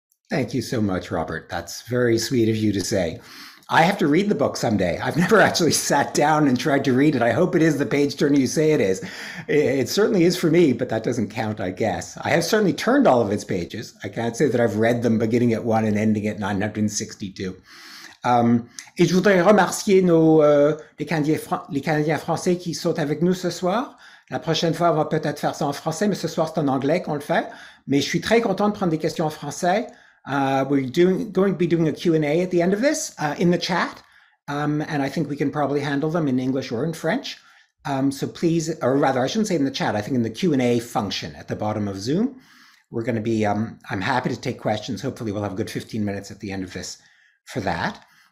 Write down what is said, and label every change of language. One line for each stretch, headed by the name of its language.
English: Thank you so much, Robert. That's very sweet of you to say. I have to read the book someday. I've never actually sat down and tried to read it. I hope it is the page turner you say it is. It certainly is for me, but that doesn't count, I guess. I have certainly turned all of its pages. I can't say that I've read them beginning at one and ending at 962.
French: Et je voudrais remercier les Canadiens français qui sont avec nous ce soir. La prochaine fois, on va peut-être faire ça en français, mais ce soir, c'est en anglais qu'on le fait. Mais je suis très content de prendre des questions en français.
English: We're going to be doing a Q&A at the end of this in the chat. And I think we can probably handle them in English or in French. I think in the Q&A function at the bottom of Zoom, we're going to be, I'm happy to take questions. Hopefully we'll have a good 15 minutes at the end of this for that.